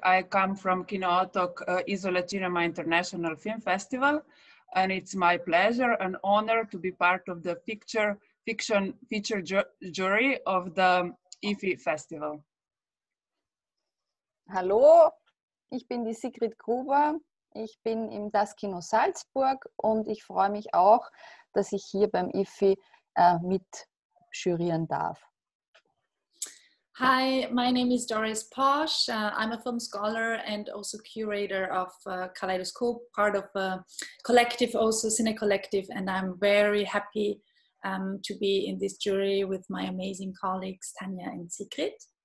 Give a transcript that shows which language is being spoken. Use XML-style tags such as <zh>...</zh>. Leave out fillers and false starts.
<en>I come from Kinootok Isolatinema International Film Festival, and it's my pleasure and honor to be part of the fiction feature jury of the IFFI Festival.</en> <de>Hallo, ich bin die Sigrid Gruber. Ich bin im Das Kino Salzburg und ich freue mich auch, dass ich hier beim IFFI mit jurieren darf.</de> <en>Hi, my name is DORIS POSCH. I'm a film scholar and also curator of Kaleidoscope, part of a collective, also Cine Collective, and I'm very happy to be in this jury with my amazing colleagues Tanya and Sigrid.</en>